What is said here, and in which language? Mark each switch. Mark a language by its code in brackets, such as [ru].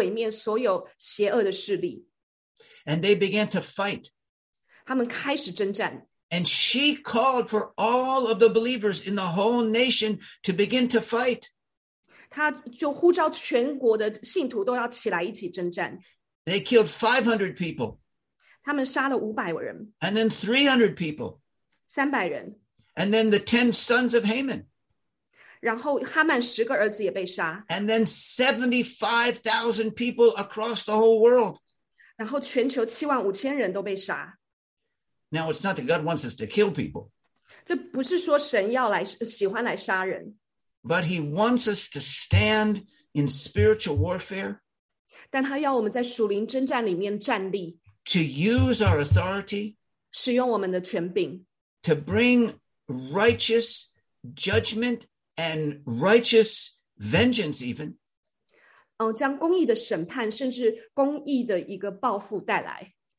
[zh] 给我权柄,因此我们可以毁灭所有邪恶的势力。 [en] And they began to fight. [zh] 他们开始征战。 [en] And she called for all of the believers in the whole nation to begin to fight. [zh] 他就呼召全国的信徒都要起来一起征战。 [en] They killed 500 people. [zh] 他们杀了500人。 [en] And then 300 people. [zh] 300人。 [en] And then the 10 sons of Haman. [zh] 然后哈曼十个儿子也被杀, [en] and then 75,000 people across the whole world. [zh] 然后全球75,000人都被杀。 [en] Now it's not that God wants us to kill people. [zh] 这不是说神要来,喜欢来杀人。 [en] But he wants us to stand in spiritual warfare. [zh] 但他要我们在属灵征战里面站立。 [en] To use our authority. [zh] 使用我们的权柄。 [en] To bring righteous judgment and righteous vengeance even. [zh] 将公义的审判甚至公义的一个报复带来。